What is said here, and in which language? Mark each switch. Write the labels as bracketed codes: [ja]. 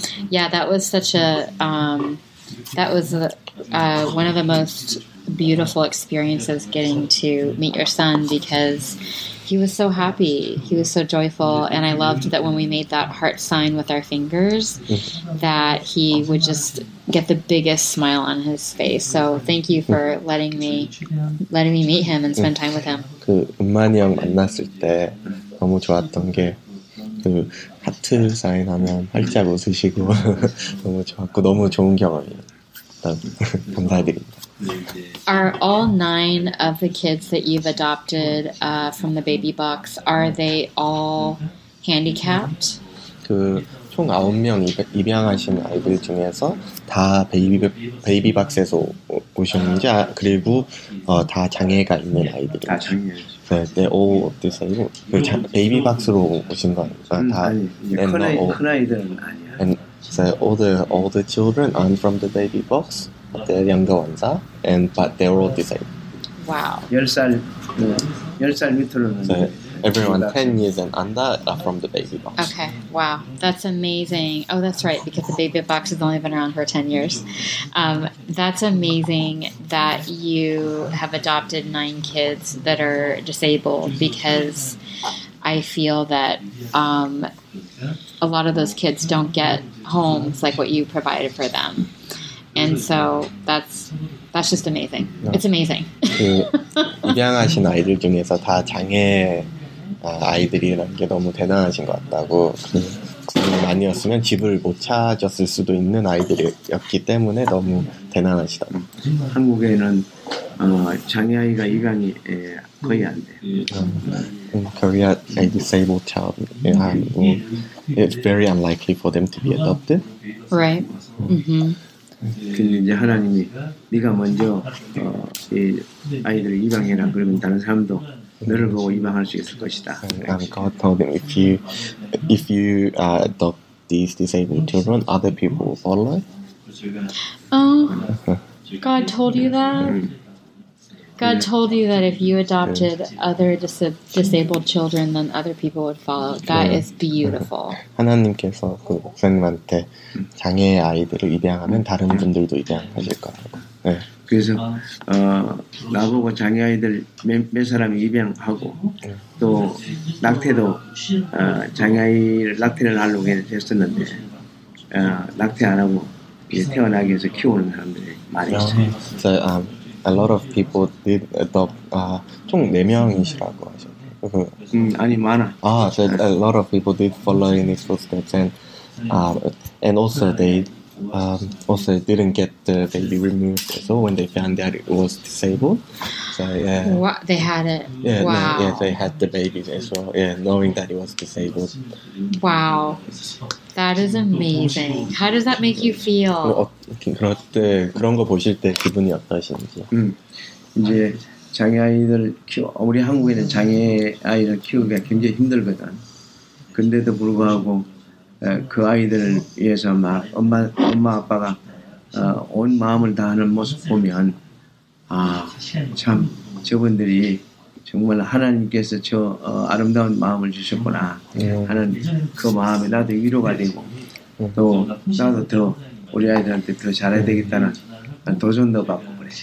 [en] Yeah, that was such a one of the most beautiful experiences, getting to meet your son, because he was so happy, he was so joyful, and I loved that when we made that heart sign with our fingers, that he would just get the biggest smile on his face. So thank you for letting me meet him and spend time with him. [ko] 그 은만이 형 만났을 때 너무 좋았던 게 그 하트 사인 하면 활짝 웃으시고 너무 좋았고 너무 좋은 경험이에요. 감사드립니다. [en] Are all 9 of the kids that you've adopted from the baby box, are they all handicapped? [ko] 그 총 9명 입양하신 아이들 중에서 다 베이비 박스에서 오셨는지, 그리고 다 장애가 있는 아이들이죠. [en] So they all of this age. Baby box로 [ko] 오신 거 아니죠? 다 큰아이들은 아니야. [en] And so all the children aren't from the baby box. They're younger ones, and but they're all this age. Wow. [ko] 10살 밑으로는. [en] So everyone 10 years and under are from the baby box. Okay. Wow. That's amazing. Oh, that's right. Because the baby box has only been around for 10 years. That's amazing that you have adopted 9 kids that are disabled, because I feel that a lot of those kids don't get homes like what you provided for them. And so that's just amazing. It's amazing. [ko] 그 입양하신 아이들 중에서 다 장애 아이들이라는 게 너무 대단하신 것 같다고. 그 아니었으면 집을 못 찾았을 수도 있는 아이들이었기 때문에 너무 대단하시다. 한국에는 장애 아이가 입양이 거의 안 돼. [en] In Korea, a disabled child, it's very unlikely for them to be adopted. Right. Mm-hmm. [ko] 근데 이제 하나님이 네가 먼저 이 아이들을 입양해라, 그러면 다른 사람도 너를 보고 입양할 수 있을 것이다. [en] God told him, if you adopt these disabled children, other people will follow. Oh, God told you that? God told you that if you adopted other disabled children, then other people would follow. That is beautiful. [ko] 하나님께서 그 목사님한테 장애 아이들을 입양하면 다른 분들도 입양하실 거라고. 네. 그래서 나보고 장애 아이들 몇 사람이 입양하고 또 낙태도 낙태를 하려고 했었는데 낙태 안 하고 이제 태어나기 위해서 키우는 사람들이 많이 있어요. [en] So, a lot of people did adopt [ko] 총 4명이시라고 하셨네요. 아니 많아. [en] So a lot of people did follow in his footsteps, and also they also didn't get the baby removed, so when they found out it was disabled, so yeah. What? They had it? Yeah, wow. Yeah, they had the baby as well, yeah, knowing that it was disabled. Wow. That is amazing. How does that make you feel? [ko] 그런 거 보실 때 기분이 어떠신지? 이제 장애 아이들 키워, 우리 한국에는 장애 아이를 키우기가 굉장히 힘들거든. 근데도 불구하고 그 아이들을 위해서 막 엄마 아빠가 온 마음을 다하는 모습 보면 아, 참 저분들이 정말 하나님께서 저 아름다운 마음을 주셨구나 하는 그 마음에 나도 위로가 되고 또 나도 더 우리 아이들한테 더 잘해야 되겠다는 도전도 받고 그래.